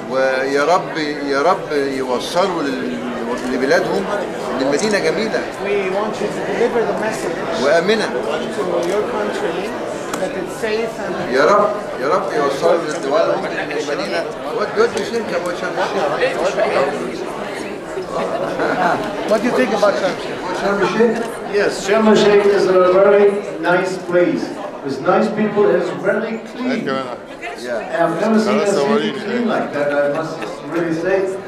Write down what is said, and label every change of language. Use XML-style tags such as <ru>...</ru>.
<ar>ويا رب يا رب يوصلوا لبلادهم لمدينة جميلة.</ar> <en>We want you to deliver the message.</en> <ar>وآمنة.</ar> <en>To your country that it's safe and.</en> <ar>يا رب يا رب يوصلوا لدولهم لمدينة.</ar> <en>What good do you think about Shamshir? What do you think about Shamshir? Yes, Sharm el-Sheikh is a very nice place. It's nice people, it's really clean. Thank you. Yeah. I've never seen a city clean like that, I must really say.</en>